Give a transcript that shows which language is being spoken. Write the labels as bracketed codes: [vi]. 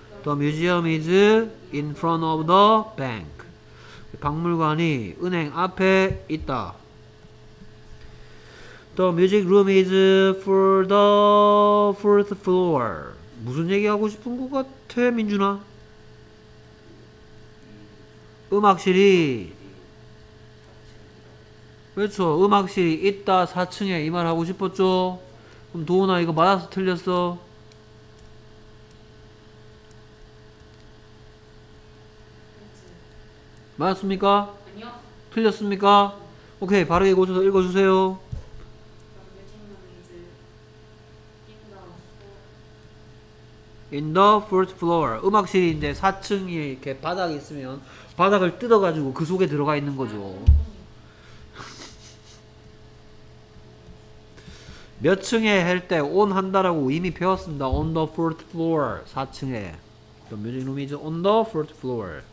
[en] The museum is in front of the bank. [ko] 박물관이 은행 앞에 있다. [en] The music room is for the fourth floor. [ko] 무슨 얘기 하고 싶은 것 같아, 민준아? 음악실이 그렇죠. 음악실이 있다, 4층에 이 말 하고 싶었죠. 그럼 도훈아 이거 맞아서 틀렸어. 맞았습니까? 아니요. 틀렸습니까? 오케이, 바르게 고쳐서 읽어주세요. [en] In the fourth floor. [ko] 음악실이 이제 4층에 이렇게 바닥이 있으면 바닥을 뜯어가지고 그 속에 들어가 있는 거죠. 몇 층에 할 때 on 한다라고 이미 배웠습니다. [en] On the fourth floor. 4층에. The music room is on the fourth floor.